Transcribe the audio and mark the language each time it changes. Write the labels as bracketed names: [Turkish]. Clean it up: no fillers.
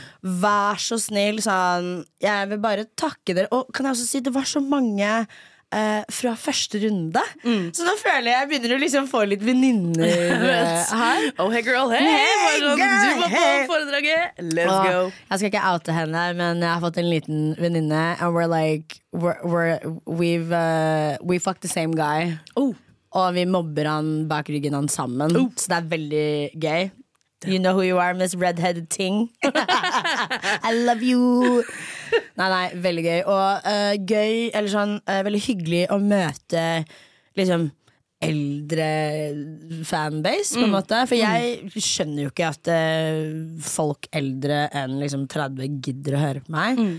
[Norwegian] Vær så snill, sånn. Jeg vil bare takke dere. Og kan jeg også si, det var så mange... fra første runde. Så nå føler jeg begynner å liksom få litt veninner her. [English] Oh hey girl, hey girl, [Norwegian] du var på foredraget. [English] Let's go. [Norwegian] Jeg skal ikke oute henne, men jeg har fått en liten veninne. [English] And we're like we fuck the same guy. [Norwegian] Og vi mobber han bak ryggen han sammen. Så det veldig gøy. [English] You know who you are, Miss Redhead Ting. I love you. [Norwegian] Nei, veldig gøy. Og gøy, eller sånn, veldig hyggelig å møte liksom eldre fanbase, på en måte. For jeg skjønner jo ikke at folk eldre enn liksom 30 gidder å høre på meg.